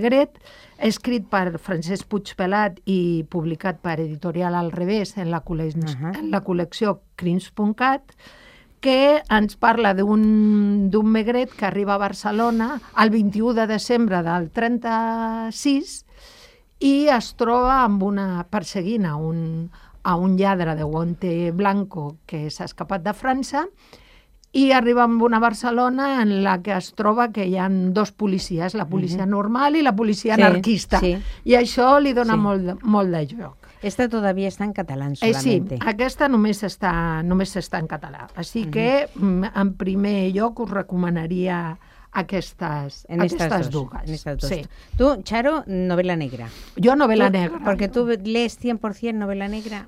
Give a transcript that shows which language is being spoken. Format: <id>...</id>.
<ca>Magret, escrit per Francesc Puigpelat i publicat per Editorial Al Revés en la, en la col·lecció Crims.cat, que ens parla d'un Magret que arriba a Barcelona el 21 de desembre del 36 i es troba amb una perseguint a un lladre de</ca> <es>guante blanco</es> <ca>que s'ha escapat de França i arriba amb una Barcelona en la que es troba que hi ha dos policies, la policia normal i la policia anarquista. Sí. I això li dona molt de joc.</ca> <es>Esta todavía está en catalán solamente.</es> <ca>Sí, aquesta només està en català. Així que, en primer lloc, us recomanaria aquestes dues. Sí. Tu, Charo, novel·la negra. Jo, novel·la negra. Perquè tu lees 100% novel·la negra.</ca>